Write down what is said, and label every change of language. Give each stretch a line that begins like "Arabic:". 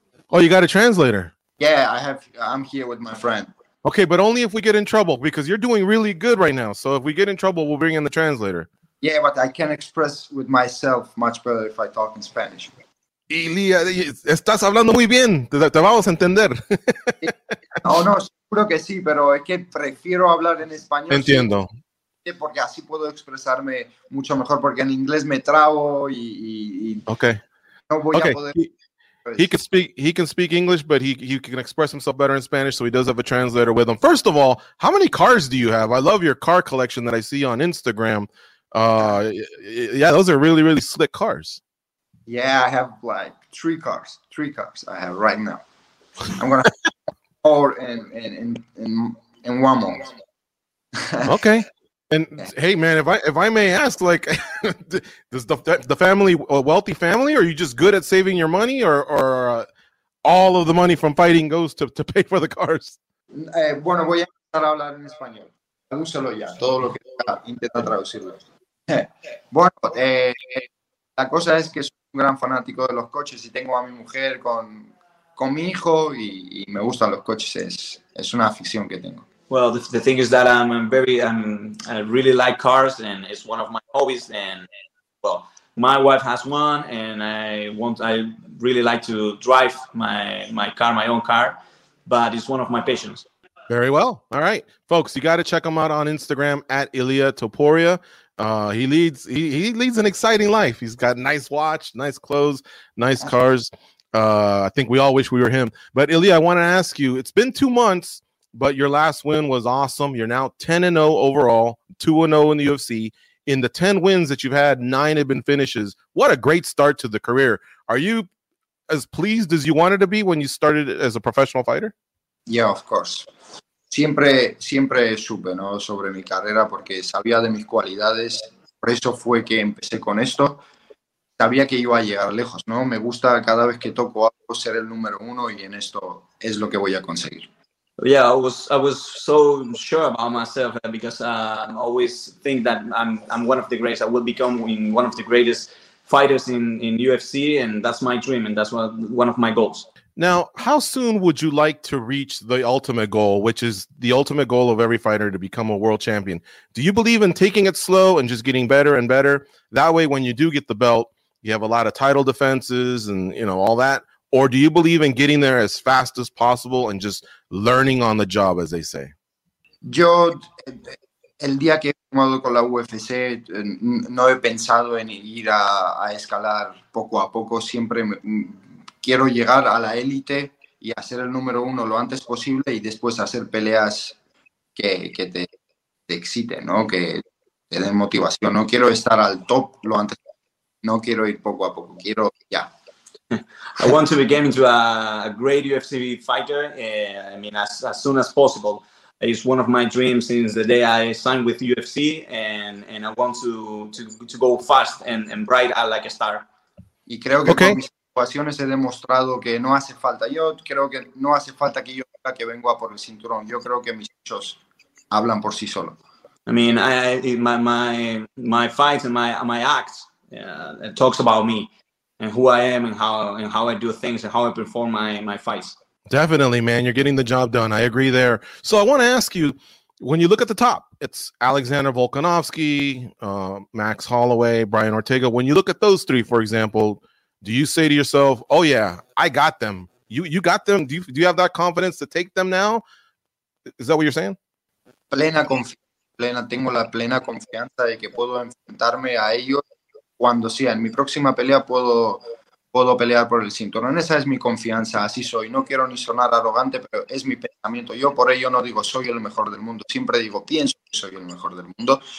English: Oh, you got a translator. Yeah, I'm here with my friend. Okay, but only if we get in trouble, because you're doing really good right now. So if we get in trouble, we'll bring in the translator. Yeah, but I can express with myself much better if I talk in Spanish.
Spanish: Ilia, estás hablando muy bien. Te vamos a entender. No, seguro que sí, pero es que prefiero hablar en español. Entiendo. Porque así puedo expresarme mucho mejor, porque en inglés me trabo y no voy a poder...
English: He can speak English, but he can express himself better in Spanish, so he does have a translator with him. First of all, how many cars do you have? I love your car collection that I see on Instagram. Yeah, those are really, really slick cars. Yeah, I have like 3 cars. 3 cars I have right now. I'm going to have 4 in 1 month. Okay. And hey, man, if I may ask, like, does the family a wealthy family, or are you just good at saving your money, or all of the money from fighting goes to pay for the cars?
Spanish: Bueno, voy a empezar a hablar en español. Tradúcelo ya. Todo lo que intenta traducirlo. Bueno, la cosa es que soy un gran fanático de los coches y tengo a mi mujer con mi hijo y me gustan los coches. Es una afición que tengo.
English: Well, the thing is that I really like cars, and it's one of my hobbies. And well, my wife has one, and I really like to drive my car, my own car, but it's one of my passions. Very well. All right, folks, you got to check him out on Instagram at Ilia Topuria. He leads an exciting life. He's got nice watch, nice clothes, nice cars. I think we all wish we were him. But Ilia, I want to ask you. It's been 2 months. But your last win was awesome. You're now 10-0 overall, 2-0 in the UFC. In the 10 wins that you've had, 9 have been finishes. What a great start to the career. Are you as pleased as you wanted to be when you started as a professional fighter? Yeah, of course.
Spanish: Siempre supe, ¿no?, sobre mi carrera, porque sabía de mis cualidades. Por eso fue que empecé con esto. Sabía que iba a llegar lejos, ¿no? Me gusta cada vez que toco algo ser el número uno, y en esto es lo que voy a conseguir.
English: Yeah, I was so sure about myself, because I always think that I'm one of the greatest. I will become one of the greatest fighters in UFC, and that's my dream, and that's one of my goals. Now, how soon would you like to reach the ultimate goal, which is the ultimate goal of every fighter, to become a world champion? Do you believe in taking it slow and just getting better and better? That way, when you do get the belt, you have a lot of title defenses and, you know, all that. Or do you believe in getting there as fast as possible and just learning on the job, as they say?
Spanish: Yo, el día que he firmado con la UFC, no he pensado en ir a escalar poco a poco. Siempre quiero llegar a la élite y hacer el número uno lo antes posible, y después hacer peleas que te exciten, ¿no?, que te den motivación. No quiero estar al top lo antes posible. No quiero ir poco a poco. Quiero ya.
English: I want to become into a great UFC fighter, I mean, as soon as possible. It's one of my dreams since the day I signed with UFC, and I want to go fast and bright like a star.
Spanish: Y creo que okay. Con mis situaciones he demostrado que no hace falta. Yo creo que no hace falta que yo diga que vengo a por el cinturón. Yo creo que mis hechos hablan por sí solo.
English: I mean, I my fights and my acts talks about me. and who I am and how I do things and how I perform my, my fights. Definitely, man. You're getting the job done. I agree there. So I want to ask you, when you look at the top, it's Alexander Volkanovski, Max Holloway, Brian Ortega. When you look at those three, for example, do you say to yourself, oh, yeah, I got them. You got them. Do you have that confidence to take them now? Is that what you're saying?
Spanish: Plena confianza. Tengo la plena confianza de que puedo enfrentarme a ellos cuando sea. En mi próxima pelea puedo pelear por el cinturón. Esa es mi confianza. Así soy. No quiero ni sonar arrogante, pero es mi pensamiento. Yo por ello no digo soy el mejor del mundo. Siempre digo pienso que soy el mejor del mundo.